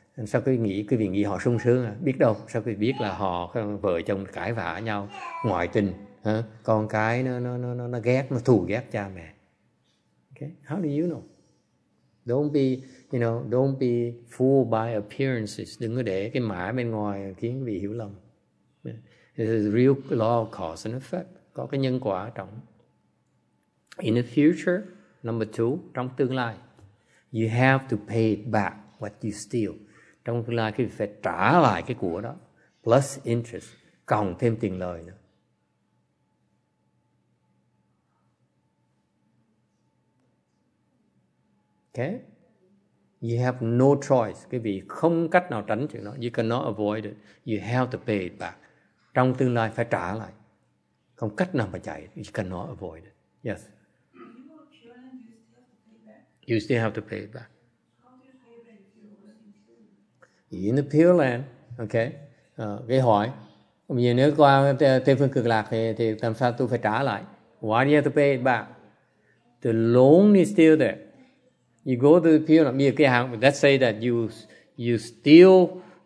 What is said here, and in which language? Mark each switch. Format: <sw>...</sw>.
<vi>And sao quý vị nghĩ họ sung sướng à? Biết đâu, sao quý vị biết là họ vợ chồng cãi vã nhau, ngoại tình, con cái nó ghét, nó thù ghét cha mẹ.</vi> <en>How do you know? Don't be fooled by appearances.</en> <vi>Đừng có để cái mã bên ngoài khiến quý vị hiểu lầm.</vi> <en>This is real law of cause and effect.</en> <vi>Có cái nhân quả trọng.</vi> <en>In the future, number two,</en> <vi>trong tương lai,</vi> <en>you have to pay back what you steal.</en> <vi>Trong tương lai, quý vị phải trả lại cái của đó.</vi> <en>Plus interest,</en> <vi>cộng thêm tiền lời nữa.</vi> <en>Okay, you have no choice.</en> <vi>Quý vị không cách nào tránh chuyện đó.</vi> <en>You cannot avoid it. You have to pay it back.</en> <vi>Trong tương lai phải trả lại. Không cách nào mà chạy.</vi> <en>You cannot avoid it. Yes. You still have to pay it back. In the Pure Land, okay.</en> <vi>Cái hỏi. Bây giờ nếu qua Tây Phương Cực Lạc thì làm sao tôi phải trả lại?</vi> <en>Why do you have to pay it back? The loan is still there. You go to the Pure Land. Let's say that you steal</en>